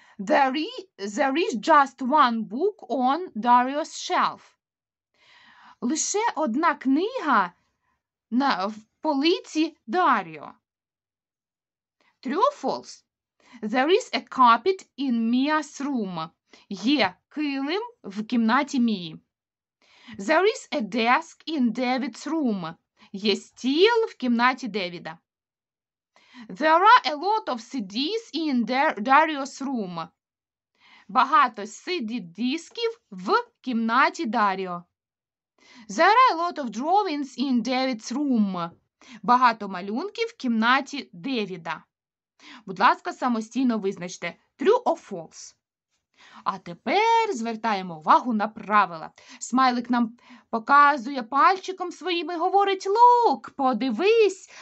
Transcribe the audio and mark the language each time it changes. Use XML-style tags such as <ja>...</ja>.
<en>There is just one book on Dario's shelf.</en> <uk>Лише одна книга в полиці Даріо.</uk> <en>True or false? There is a carpet in Mia's room.</en> <uk>Є килим в кімнаті Мії.</uk> <en>There is a desk in David's room.</en> <uk>Є стіл в кімнаті Девіда.</uk> <en>There are a lot of CDs in Dario's room.</en> <uk>Багато CD-дисків в кімнаті Даріо.</uk> <en>There are a lot of drawings in David's room.</en> <uk>Багато малюнків в кімнаті Девіда. Будь ласка, самостійно визначте</uk> <en>true or false.</en> <uk>А тепер звертаємо увагу на правила. Смайлик нам показує пальчиком своїм і говорить: «Look, подивись!»</uk>